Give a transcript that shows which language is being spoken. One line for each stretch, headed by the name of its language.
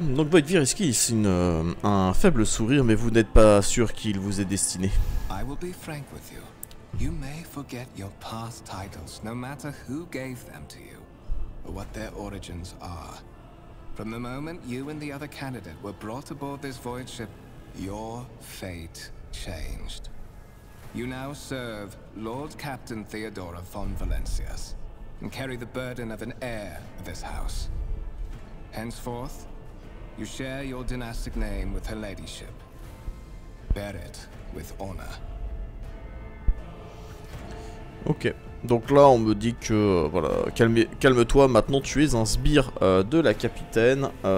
French: Donc Voidvir esquisse un faible sourire, mais vous n'êtes pas sûr qu'il vous est destiné.
English: I will be frank with you. You may forget your past titles, no matter who gave them to you, or what their origins are. From the moment you and the other candidate were brought aboard this voyage ship, your fate changed. You now serve Lord Captain Theodora von Valencias, and carry the burden of an heir of this house. Henceforth, you share your dynastic name with her ladyship. Bear it with honor.
French: Ok, donc là on me dit que, voilà, calme-toi, maintenant tu es un sbire de la capitaine.